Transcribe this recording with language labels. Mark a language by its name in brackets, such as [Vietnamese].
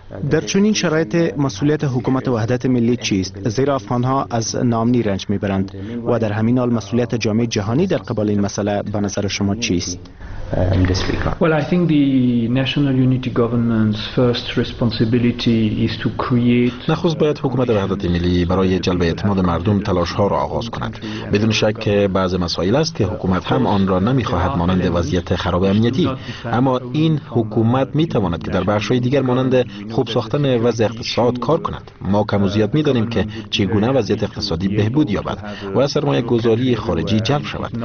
[Persian] در چنین شرایط مسئولیت حکومت وحدت ملی چیست؟ زیرا افغان ها از نامنی رنج میبرند و در همین حال مسئولیت جامعه جهانی در قبال این مسئله به نظر شما چیست؟ [English] Well, I think the national unity government's first responsibility is to create. [Persian] نخست باید حکومت وحدت ملی برای جلب اعتماد مردم تلاش ها را آغاز کند. بدون شک که بعض مسائل است که حکومت هم آن را نمیخواهد مانند وضعیت خراب امنیتی، اما این حکومت می تواند که در بخش های دیگر مانند خوب ساختن وضع اقتصاد کار کند. ما کم و زیاد می‌دانیم که چگونه وضعیت اقتصادی بهبود یابد و سرمایه گذاری خارجی جلب شود.